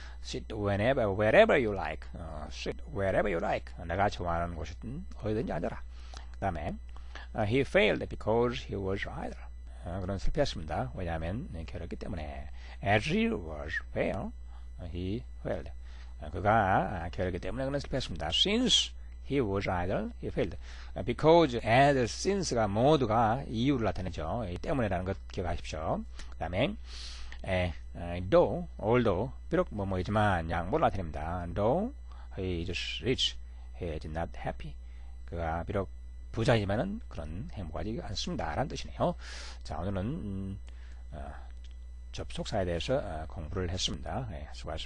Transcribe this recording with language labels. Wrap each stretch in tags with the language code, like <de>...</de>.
<en>Sit whenever, wherever you like. Sit wherever you like.</en> <ko>내가 좋아하는 곳이 어디든지 앉아라. 그 다음에</ko> <en>he failed because he was idle.</en> <ko>그는 실패했습니다. 왜냐하면 게으르기 때문에.</ko> <en>As he was well, he failed.</en> <ko>그가 게으르기 때문에 그는 실패했습니다.</ko> <en>Since he was idle, he failed. Because and since</en> <ko>가 모두가 이유를 나타내죠. 이 때문에라는 것 기억하십시오. 그 다음에 though, although, 비록 뭐뭐이지만 양보를 나타냅니다.</ko> <en>Though he is rich, he is not happy.</en> <ko>그가 비록 부자이지만은 그런 행복하지 않습니다. 라는 뜻이네요. 자, 오늘은 접속사에 대해서 공부를 했습니다. 수고하셨습니다.</ko>